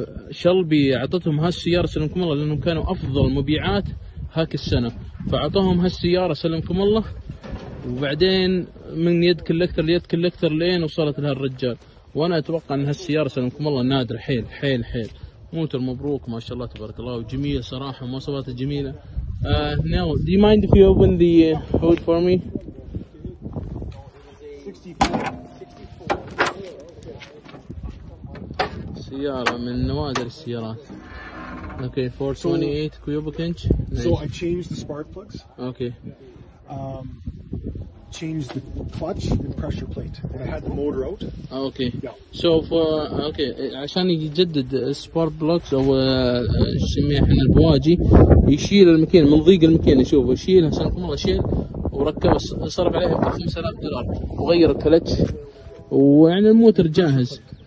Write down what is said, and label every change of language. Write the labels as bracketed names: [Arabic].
[Arabic] شلبي اعطتهم هالسياره سلمكم الله لانهم كانوا افضل مبيعات هاك السنه فاعطوهم هالسياره سلمكم الله وبعدين من يد كولكتر ليد كولكتر لين وصلت لها الرجال وانا اتوقع ان هالسياره سلمكم الله نادر حيل حيل حيل موتر مبروك ما شاء الله تبارك الله وجميله صراحه مواصفاتها جميله [English] now, do you mind if you open the hood for me? 64. [Arabic] سيارة من نوادر السيارات. [English] Okay, 428 cubic inch. So I changed the spark plugs. Okay. Changed the clutch and pressure plate, and I had the motor out. Okay. Yeah. So for okay, [Arabic] عشان يجدد spark plugs أو نسميها إحنا البواجي يشيل المكينة من ضيق المكينة شوف يشيل عشان كم الله شيل وركب صرف عليها $5,000 وغير الكلتش ويعني الموتر جاهز.